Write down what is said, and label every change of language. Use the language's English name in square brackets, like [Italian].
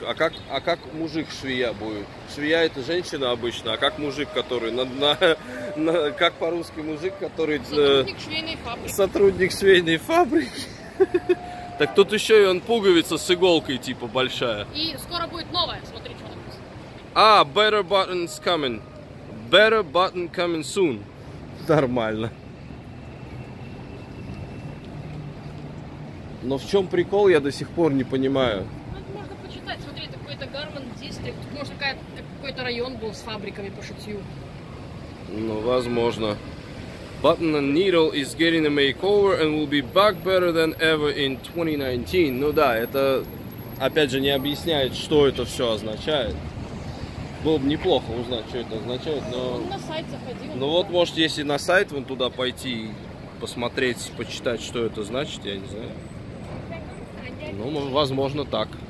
[Russian] А как мужик швея будет? Швея — это женщина обычно, а как мужик, который на как по-русски мужик, который сотрудник швейной фабрики. Так тут еще и он пуговица с иголкой типа большая. И скоро будет новая, смотри, что написано. [English] А, better button's coming. Better button coming soon. [Russian] Нормально. Но в чем прикол, я до сих пор не понимаю. Ну, можно почитать, смотри, это какой-то Garment District. Тут, может, какой-то район был с фабриками по шитью. Ну, возможно. [English] Button and Needle is getting a makeover and will be back better than ever in 2019. [Russian] Ну да, это, опять же, не объясняет, что это все означает. Было бы неплохо узнать, что это означает, но... Он на сайт заходил. Ну вот, может, если на сайт вон туда пойти, посмотреть, почитать, что это значит, я не знаю. Ну, возможно, так.